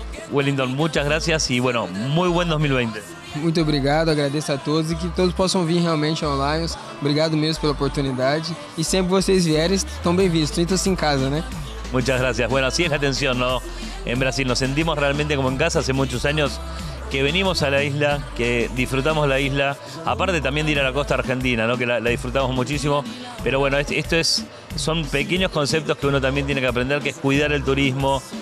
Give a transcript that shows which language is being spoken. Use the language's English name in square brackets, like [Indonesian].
[Spanish] Wellington, muchas gracias y bueno, muy buen 2020. [Portuguese] Muito obrigado, agradeço a todos e que todos possam vir realmente ao Lions. Obrigado mesmo pela oportunidade. E sempre vocês vierem, estão bem-vindos, sintam-se em casa, né? [Spanish] Muchas gracias. Bueno, así es la atención, ¿no? En Brasil nos sentimos realmente como en casa hace muchos años. Que venimos a la isla, que disfrutamos la isla, aparte también de ir a la costa argentina, ¿no? Que la disfrutamos muchísimo. Pero bueno, esto es, son pequeños conceptos que uno también tiene que aprender, que es cuidar el turismo.